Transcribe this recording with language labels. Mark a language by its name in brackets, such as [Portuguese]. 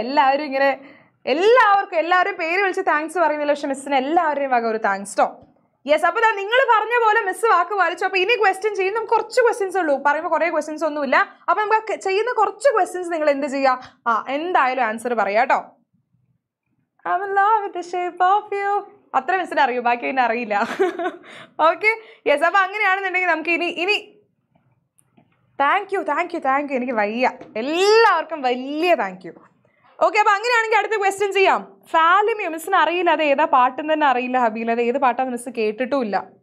[Malayalam] എല്ലാവരും ഇങ്ങനെ എല്ലാവർക്കും എല്ലാവരും പേര് വിളിച്ച് താങ്ക്സ് പറയുന്നില്ല. പക്ഷെ മിസ്സിന് എല്ലാവരുടെയും വക ഒരു താങ്ക്സ് ടോ. യെസ്. അപ്പൊ ഞാൻ നിങ്ങൾ പറഞ്ഞ പോലെ മിസ് വാക്ക് വായിച്ചു. അപ്പൊ ഇനി ക്വസ്റ്റ്യൻ ചെയ്യുന്ന കുറച്ച് ക്വസ്റ്റ്യൻസ് ഉള്ളൂ. പറയുമ്പോൾ കുറെ ക്വസ്റ്റ്യൻസ് ഒന്നുമില്ല. അപ്പൊ നമുക്ക് ചെയ്യുന്ന കുറച്ച് ക്വസ്റ്റ്യൻസ് നിങ്ങൾ എന്ത് ചെയ്യുക? ആ എന്തായാലും ആൻസർ പറയാം കേട്ടോ. [English] I'm in love with the shape of you. [Malayalam] അത്ര മിസ്സിനെ അറിയൂ, ബാക്കി എന്നെ അറിയില്ല. Okay yes. അപ്പൊ അങ്ങനെയാണെന്നുണ്ടെങ്കിൽ നമുക്ക് ഇനി ഇനി thank you, thank you, thank you. എനിക്ക് വയ്യ. എല്ലാവർക്കും വലിയ താങ്ക് യു. ഓക്കെ, അപ്പൊ അങ്ങനെയാണെങ്കിൽ അടുത്ത ക്വസ്റ്റ്യൻ ചെയ്യാം. ഫാലിമിയോ, മിസ്സിന് അറിയില്ല. അത് ഏതാ പാട്ടെന്ന് തന്നെ അറിയില്ല ഹബീല. അത് ഏത് പാട്ടാന്ന് മിസ് കേട്ടിട്ടുമില്ല.